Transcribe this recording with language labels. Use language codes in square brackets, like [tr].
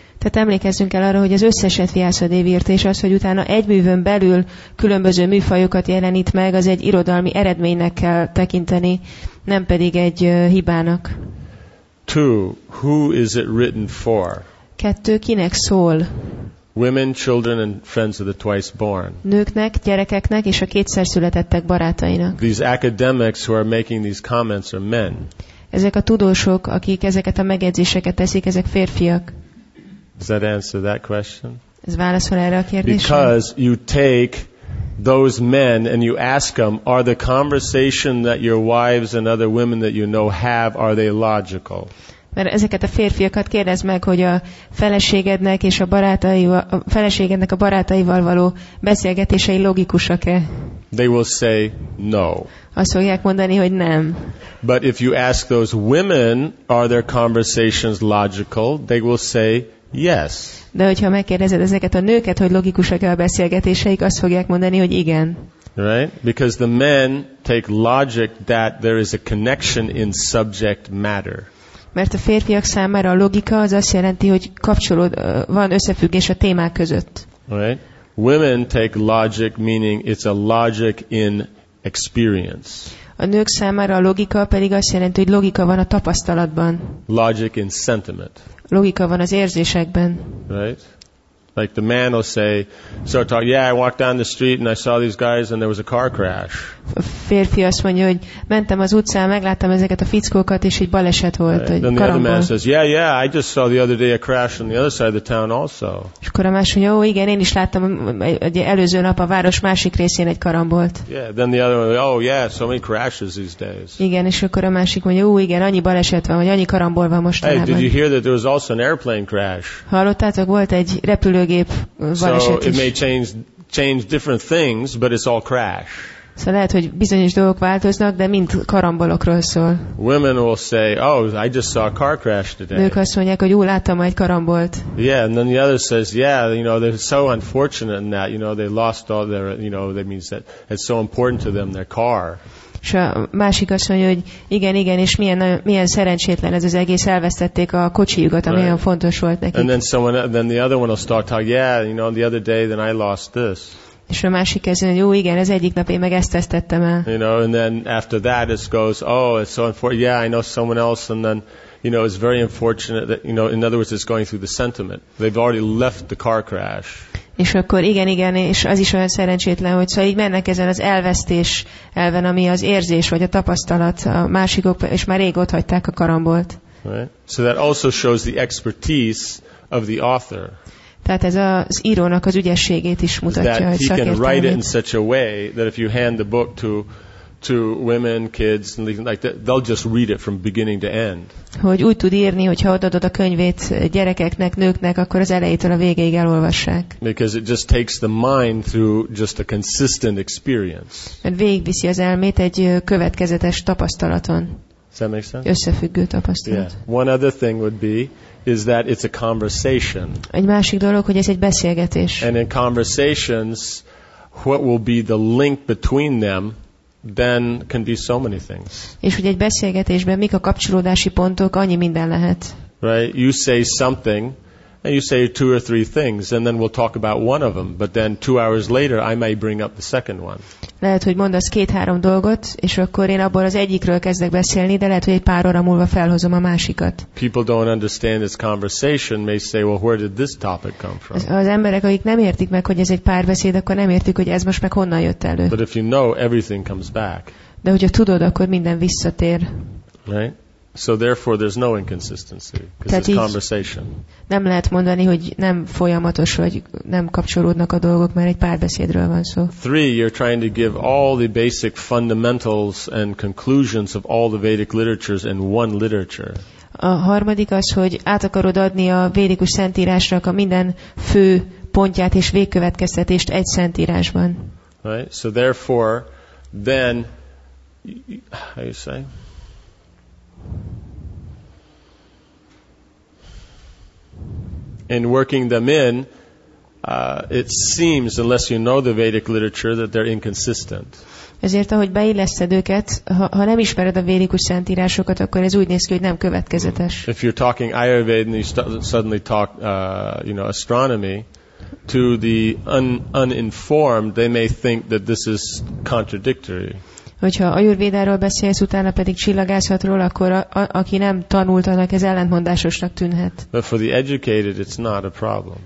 [hu] Tehát emlékezzünk el arra, hogy az összeset Vyasadeva írt, és az, hogy utána egy művön belül különböző műfajokat jelenít meg, az egy irodalmi eredménynek kell tekinteni, nem pedig egy hibának. [en] Two, who is it written for? [hu] Kettő, kinek szól? [en] Women, children and friends of the twice born. [hu] Nőknek, gyerekeknek és a kétszer születettek barátainak. [en] These academics who are making these comments are men. [hu] Ezek a tudósok, akik ezeket a megjegyzéseket teszik, ezek férfiak. [en] Does that answer that question? [hu] Ez válaszol erre a kérdésre? [en] Because you take those men and you ask them, are the conversation that your wives and other women that you know have, are they logical? [hu] Mert ezeket a férfiakat kérdezd meg, hogy a feleségednek és a feleségednek a barátaival való beszélgetései logikusak-e? [en] They will say no. [hu] Azt fogják mondani, hogy nem. [en] But if you ask those women, are their conversations logical? They will say yes. [hu] De hogyha megkérdezed ezeket a nőket, hogy logikusak-e a beszélgetéseik, azt fogják mondani, hogy igen. [en] Right? Because the men take logic that there is a connection in subject matter. [hu] Mert a férfiak számára a logika az azt jelenti, hogy van összefüggés a témák között. [en] Right? Women take logic meaning it's a logic in experience. [hu] A nők számára a logika pedig azt jelenti, hogy logika van a tapasztalatban. [en] Logic in sentiment. [hu] Logika van az érzésekben. [en] Right? Like the man will say, start talking, yeah, I walked down the street and I saw these guys and there was a car crash. [hu] A férfi azt mondja, hogy mentem az utcán, megláttam ezeket a fickókat, és egy baleset volt. [en] Right. Then the other man says, yeah, I just saw the other day a crash on the other side of the town also. [hu] És akkor a másik mondja, igen, én is láttam egy előző nap a város másik részén egy karambolt. [en] Yeah, then the other one, oh yeah, so many crashes these days. [hu] Igen, és akkor a másik mondja, igen, annyi baleset van, vagy annyi karambol van mostanában. [en] Hey, did you hear that there was also an airplane crash? [hu] Hallottátok, volt egy repülő. [en] So it may change different things, but it's all crash. [hu] So lehet, hogy bizonyos dolgok változnak, de mind karambolokról szól. [en] Women will say, "Oh, I just saw a car crash today." [hu] Nők azt mondják, hogy láttam egy karambolt. [en] Yeah, and then the other says, "Yeah, you know, they're so unfortunate in that. You know, they lost all their, you know, that means that it's so important to them, their car." [hu] És a másik azt mondja, hogy igen, és milyen szerencsétlen ez az egész, elvesztették a kocsijukat, ami olyan fontos volt nekik. [en] And then the other one will start talking, yeah, you know, the other day, then I lost this. [hu] És a másik azt mondja, igen, ez egyik nap én meg ezt vesztettem el. [en] You know, and then after that it goes, oh, it's so unfortunate, yeah, I know someone else, and then, you know, it's very unfortunate that, you know, in other words, it's going through the sentiment. They've already left the car crash. [hu] És akkor igen, és az is olyan szerencsétlen, hogy szóval így mennek ezen az elvesztés elven, ami az érzés vagy a tapasztalat, a másikok, és már rég ott hagyták a karambolt. [en] Right. So that also shows the expertise of the author. [hu] Tehát ez az írónak az ügyességét is mutatja, hogy szakértelmét. [en] That he can write it in such a way that if you hand the book to to women, kids, and like that, they'll just read it from beginning to end. [hu] Hogy úgy tud írni, hogy ha odaadod a könyvét gyerekeknek, nőknek, akkor az elejétől a végéig elolvassák. [en] Because it just takes the mind through just a consistent experience. [hu] Mert végigviszi az elmét egy következetes tapasztalaton. [en] Does that make sense? [hu] Összefüggő tapasztalat. [en] Yeah. One other thing would be is that it's a conversation. [hu] Egy másik dolog, hogy ez egy beszélgetés. [en] And in conversations, what will be the link between them? Then can be so many things. [hu] És hogy egy beszélgetésben mik a kapcsolódási pontok, annyi minden lehet. [en] Right, you say something, and you say two or three things, and then we'll talk about one of them. But then 2 hours later, I may bring up the second one. [hu] Lehet, hogy mondasz két-három dolgot, és akkor én abból az egyikről kezdek beszélni, de lehet, hogy egy pár óra múlva felhozom a másikat. [en] People don't understand this conversation may say, well, where did this topic come from? [hu] Az emberek, akik nem értik meg, hogy ez egy párbeszéd, akkor nem értik, hogy ez most meg honnan jött elő. [en] But if you know, everything comes back. [hu] De hogyha tudod, akkor minden visszatér. [en] Right? So therefore there's no inconsistency because it's conversation. [hu] Nem lehet mondani, hogy nem folyamatos vagy nem kapcsolódnak a dolgok, mert egy párbeszédről van szó. [en] Three, you're trying to give all the basic fundamentals and conclusions of all the Vedic literatures in one literature. [hu] A harmadik az, hogy át akarod adni a védikus szentírásnak a minden fő pontját és végkövetkeztetést egy szentírásban. [en] Right? So therefore then how you say? In working them in, it seems, unless you know the Vedic literature, that they're inconsistent. [hu] Ezért, ahogy beilleszted őket, ha nem ismered a védikus szentírásokat, akkor ez úgy néz ki, hogy nem következetes. [en] If you're talking Ayurveda and you suddenly talk, you know, astronomy, to the uninformed, they may think that this is contradictory. [hu] Hogyha ajurvédáról beszélsz, utána pedig csillagászatról, akkor aki nem tanult, annak ez ellentmondásosnak tűnhet. [en] But for the educated, it's not a problem.